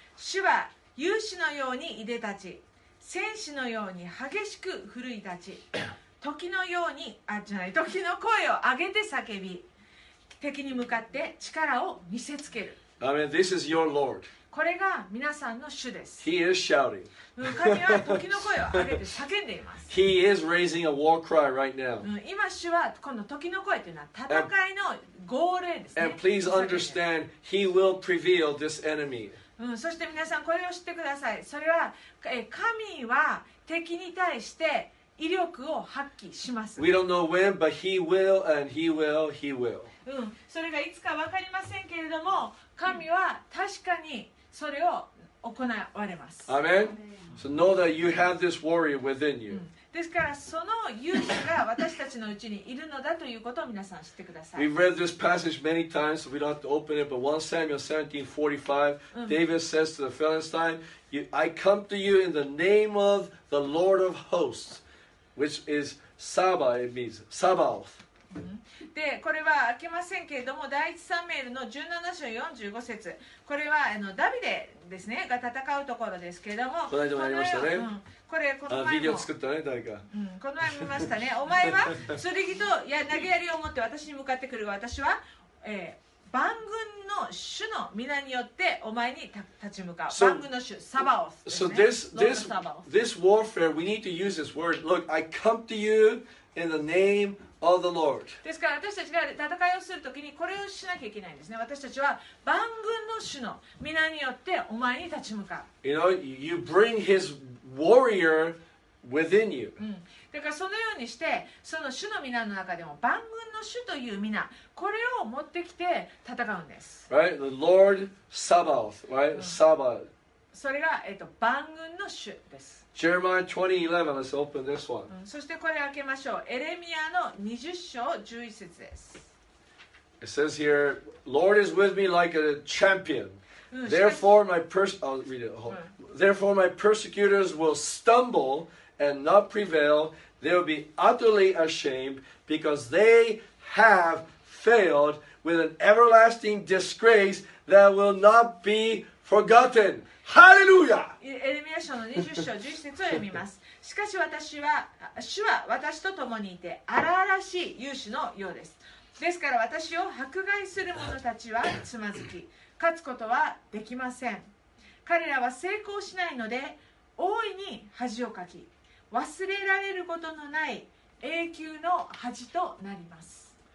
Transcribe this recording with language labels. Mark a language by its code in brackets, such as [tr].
[ja] 主は勇士のようにいでたち、戦士のように激しく奮い立ち、時のように、あ、じゃない、時の声を上げて叫び、敵に向かって力を見せつける。 [en] I mean, this is your Lord. [ja] これが皆さんの主です。 [en] He is shouting. [ja] 神は時の声を上げて叫んでいます。 [en] He is raising a war cry right now. [ja] 今主は今度時の声というのは戦いの号令ですね。 [en] And please understand, he will prevail this enemy. [ja] そして皆さんこれを知ってください。それは神は敵に対して威力を発揮します。 [en] We don't know when, but he will, and he will, he will. [ja] それがいつか分かりませんけれども、神は確かにそれを行われます。 [en] Amen. So know that you have this warrior within you. [ja] ですからその勇士が私たちのうちにいるのだということを皆さん知ってください。 [en] We've read this passage many times, so we don't have to open it. But 1 Samuel 17:45, David says to the Philistine, "I come to you in the name of the Lord of hosts, which is Saba. It means Sabaoth." [ja] でこれは開けませんけれども、第1サムエルの17章45節、これはダビデですねが戦うところですけれども、この間もありましたね、うん、これこの前もビデオ作ったね誰か、うん、この前見ましたね。お前は剣と投げ槍を持って私に向かってくるが、私は、万軍の主の皆によってお前に立ち向かう。 [en] So, [ja] 万軍の主サバオスですね。 [en] This warfare, we need to use this word. Look, I come to you in the nameOf the Lord. [ja] ですから私たちが戦いをするときにこれをしなきゃいけないんですね。私たちは万軍の主の皆によってお前に立ち向かう。 [en] You know, you bring his warrior within you. [ja] だからそのようにしてその主の皆の中でも万軍の主という皆、これを持ってきて戦うんです。 [en] Right, the Lord Sabaoth, right, Sabaoth. [ja] それが万軍の主です。 [en] Jeremiah 20:11. Let's open this one. [ja] そしてこれ開けましょう。エレミヤの20章11節です。 [en] It says here, Lord is with me like a champion. Therefore, my persecutors will stumble and not prevail. They will be utterly ashamed because they have failed with an everlasting disgrace that will not be forgotten. [ja] エレミヤ書の20章11節を読みます。しかし私は主は私と共にいて荒々しい勇士のようです。ですから私を迫害する者たちはつまずき、勝つことはできません。彼らは成功しないので大いに恥をかき、忘れられることのない永久の恥となります。